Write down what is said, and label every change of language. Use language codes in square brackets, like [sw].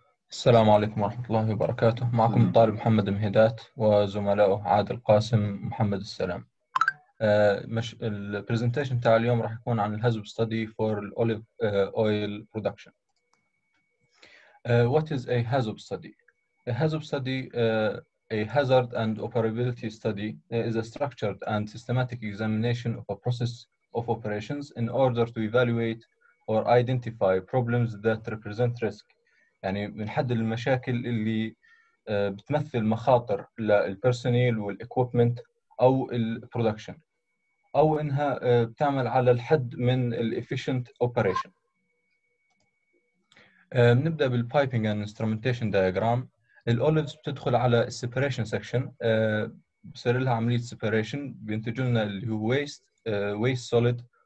[ar] السلام عليكم ورحمة الله وبركاته. معكم الطالب محمد مهيدات وزملائه عادل قاسم محمد السلام. البرزنتيشن تاع اليوم راح يكون عن الهزب ستدي فور الأوليف أويل برودكشن. [en] What is a hazard study? A hazard study, a hazard and operability study, is a structured and systematic examination of a process of operations in order to evaluate or identify problems that represent risk. [ar] يعني بنحدد المشاكل اللي بتمثل مخاطر للبرسونيل والإكويبمنت أو البرودكشن، أو إنها بتعمل على الحد من الإفيشنت أوبريشن. بنبدأ بالبايبنج أند إنسترومنتيشن دياجرام. الأوليفز بتدخل على السيبريشن سكشن، بصير لها عملية سيبريشن، بينتج لنا اللي هو ويست، ويست سوليد.